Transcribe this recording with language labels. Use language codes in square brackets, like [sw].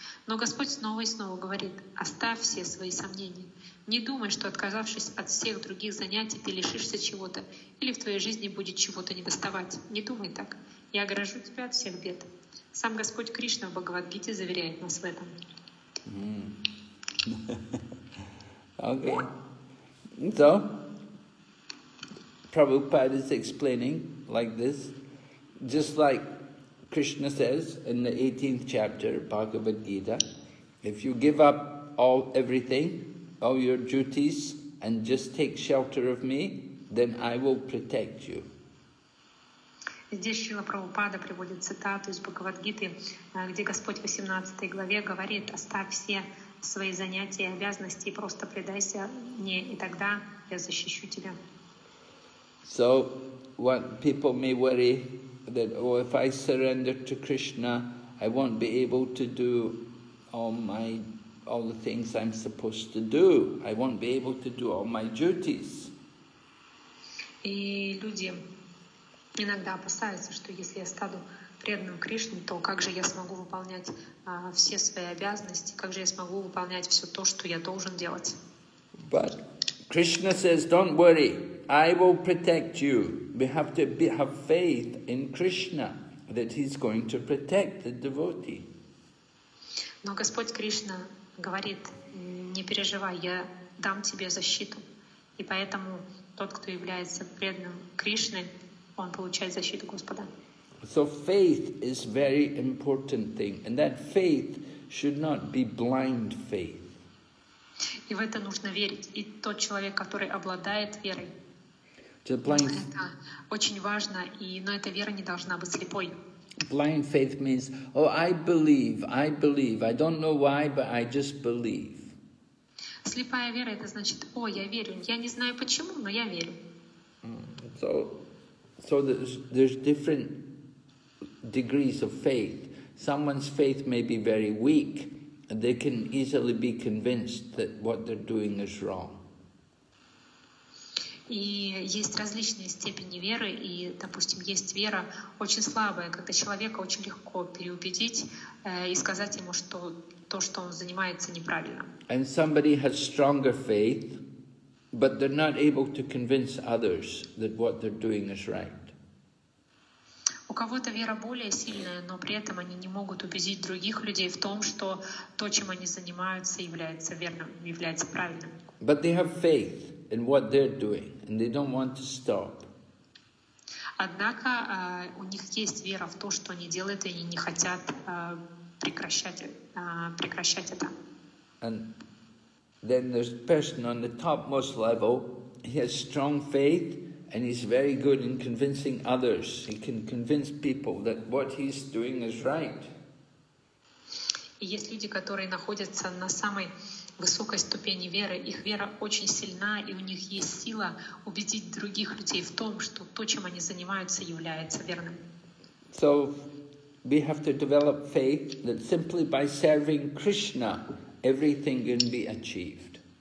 [ru] Но Господь снова и снова говорит, оставь все свои сомнения. Не думай, что отказавшись от всех других занятий, ты лишишься чего-то, или в твоей жизни будет чего-то недоставать. Не думай так. Я огражу тебя от всех бед. Сам Господь Кришна в Бхагавад-гите заверяет нас в этом. [en] Okay. So, Prabhupada is explaining like this, just like Krishna says in the 18th chapter Bhagavad Gita, if you give up everything, all your duties, and just take shelter of me, then I will protect you. [ru] Здесь Шрила Прабхупада приводит цитату из Бхагавад-гиты, где Господь в 18 главе говорит, оставь все свои занятия и обязанности, просто предайся мне, и тогда я защищу тебя. [en] So, what people may worry, that, oh, if I surrender to Krishna, I won't be able to do all the things I'm supposed to do. I won't be able to do all my duties. [ru] И люди Иногда опасаются, что если я стану преданным Кришне, то как же я смогу выполнять все свои обязанности, как же я смогу выполнять все то, что я должен делать. [en] But Krishna says, don't worry, I will protect you. We have to have faith in Krishna that he's going to protect the devotee. [ru] Но Господь Кришна говорит, не переживай, я дам тебе защиту. И поэтому тот, кто является преданным Кришне, он получает защиту Господа. [en] So faith is very important thing, and that faith should not be blind faith. [ru] И в это нужно верить. И тот человек, который обладает верой, это очень важно, но эта вера не должна быть слепой. [en] Blind faith means, oh, I believe, I don't know why, but I just believe. [ru] Слепая вера, это значит, о, я верю, я не знаю почему, но я верю. [en] So there's different degrees of faith. Someone's faith may be very weak, and they can easily be convinced that what they're doing is wrong. [ru] И есть различные степени веры, и, допустим, есть вера очень слабая, когда человека очень легко переубедить и сказать ему, что то, что он занимается, неправильно. [en] And somebody has stronger faith, but they're not able to convince others that what they're doing is right. [ru] У кого-то вера более сильная, но при этом они не могут убедить других людей в том, что то, чем они занимаются, является верным, является правильным. [en] But they have faith in what they're doing, and they don't want to stop. [ru] Однако у них есть вера в то, что они делают, и они не хотят прекращать это. [en] And then there's a person on the topmost level. He has strong faith, and he's very good in convincing others. He can convince people that what he's doing is right. [ru] И есть люди, которые находятся на самой высокой ступени веры, их вера очень сильна, и у них есть сила убедить других людей в том, что то, чем они занимаются, является верным. [en] So we have to develop faith that simply by serving Krishna, everything can be achieved.